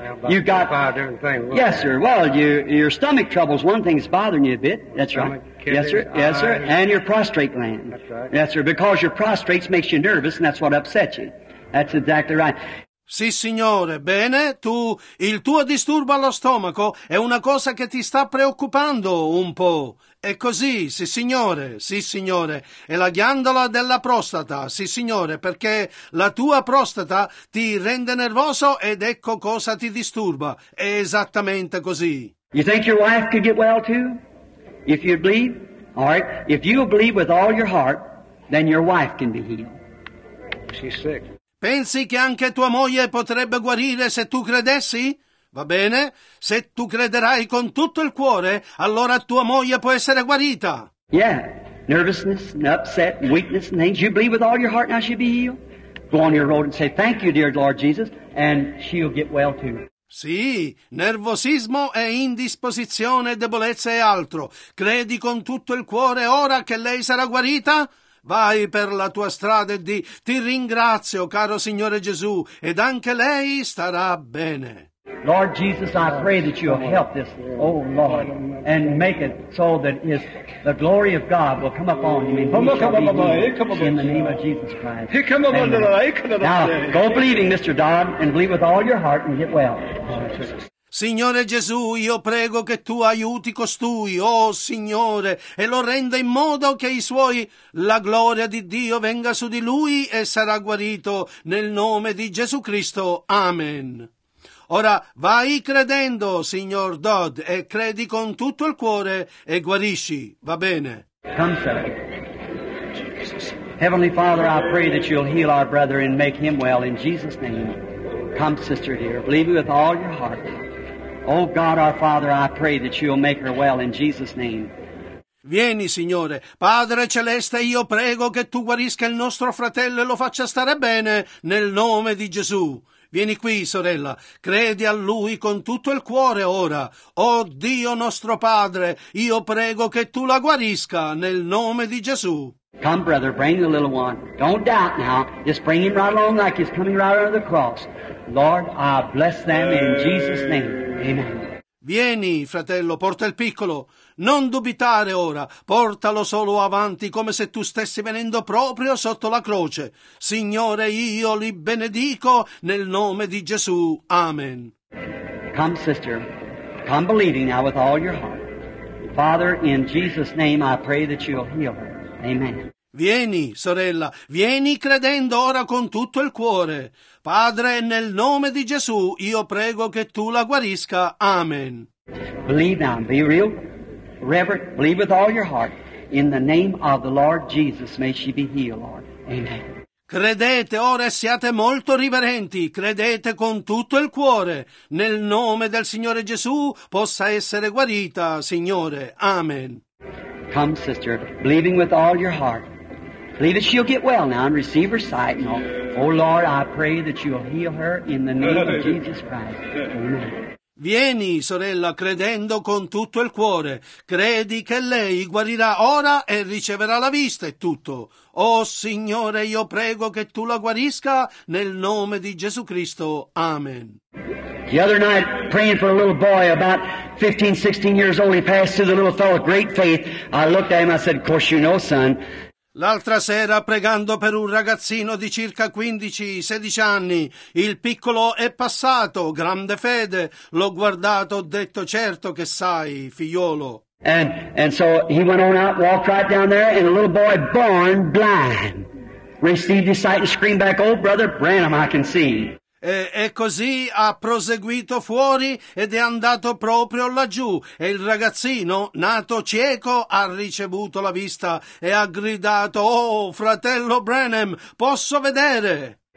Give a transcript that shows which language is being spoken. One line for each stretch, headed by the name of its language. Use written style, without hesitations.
English: You got five different things. Yes, sir. Well, your stomach troubles, one thing is bothering you a bit. That's right. Yes, sir. Yes, sir. And your prostate gland. That's right. Yes, sir. Because your prostrates makes you nervous and that's what upsets you. That's exactly right.
Italian: Sì, signore, bene, tu, il tuo disturbo allo stomaco è una cosa che ti sta preoccupando un po'. È così, sì, signore, è la ghiandola della prostata, sì, signore, perché la tua prostata ti rende nervoso ed ecco cosa ti disturba. È esattamente così.
English: You think your wife could get well too? If you believe? All right, if you believe with all your heart, then your wife can be healed. She's sick.
Italian: Pensi che anche tua moglie potrebbe guarire se tu credessi? Va bene, se tu crederai con tutto il cuore, allora tua moglie può essere guarita.
English: Yeah, nervousness and upset and weakness and things. You believe with all your heart now she'll be healed? Go on your road and say thank you, dear Lord Jesus, and she'll get well too.
Italian: Sì, nervosismo e indisposizione, debolezza e altro. Credi con tutto il cuore ora che lei sarà guarita? Vai per la tua strada e di ti ringrazio, caro Signore Gesù, ed anche lei starà bene.
English: Lord Jesus, I pray that you will help this, oh Lord, and make it so that his, the glory of God will come upon him and he shall be healed in the name of Jesus Christ. Amen. Now, go believing, Mr. Dodd, and believe with all your heart and get well.
Italian: Signore Gesù, io prego che tu aiuti costui, oh Signore, e lo renda in modo che i suoi, la gloria di Dio venga su di lui e sarà guarito nel nome di Gesù Cristo. Amen. Ora vai credendo, signor Dodd, e credi con tutto il cuore e guarisci, va bene?
English: Come, sir. Heavenly Father, I pray that you'll heal our brother and make him well in Jesus' name. Come, sister dear, believe me with all your heart. Oh God, our Father, I pray that you'll make her well in Jesus' name.
Italian: Vieni, Signore. Padre Celeste, io prego che tu guarisca il nostro fratello e lo faccia stare bene nel nome di Gesù. Vieni qui, sorella. Credi a lui con tutto il cuore ora. Oh Dio nostro Padre, io prego che tu la guarisca nel nome di Gesù.
English: Come, brother, bring the little one. Don't doubt now. Just bring him right along like he's coming right out of the cross. Lord, I bless them in Jesus' name. Amen.
Italian: Vieni, fratello, porta il piccolo. Non dubitare ora. Portalo solo avanti come se tu stessi venendo proprio sotto la croce. Signore, io li benedico nel nome di Gesù. Amen.
English: Come, sister. Come believing now with all your heart. Father, in Jesus' name I pray that you'll heal her. Amen.
Italian: Vieni, sorella, vieni credendo ora con tutto il cuore. Padre, nel nome di Gesù, io prego che tu la guarisca. Amen.
English: Believe now, be real, reverent, believe with all your heart. In the name of the Lord Jesus, may she be healed, Lord. Amen.
Italian: Credete ora e siate molto riverenti, credete con tutto il cuore. Nel nome del Signore Gesù, possa essere guarita, Signore. Amen.
English: Come, sister, believing with all your heart. Believe that she'll get well now and receive her sight. And all. Oh, Lord, I pray that you'll heal her in the name of Jesus Christ. Amen.
Italian: Vieni, sorella, credendo con tutto il cuore. Credi che lei guarirà ora e riceverà la vista e tutto. Oh, Signore, io prego che tu la guarisca nel nome di Gesù Cristo. Amen.
English: The other night, praying for a little boy about 15, 16 years old, he passed through the little fellow with great faith. I looked at him, I said, of course you know, son.
Italian: L'altra sera, pregando per un ragazzino di circa 15-16 anni, il piccolo è passato, grande fede. L'ho guardato, ho detto, certo che sai, figliolo.
English: And so he went on out, walked right down there, and a little boy born blind received his sight and screamed back, oh brother Branham, I can see.
Italian: E così ha proseguito fuori ed è andato proprio laggiù e il ragazzino, nato cieco, ha ricevuto la vista e ha gridato, oh, fratello Branham, posso vedere?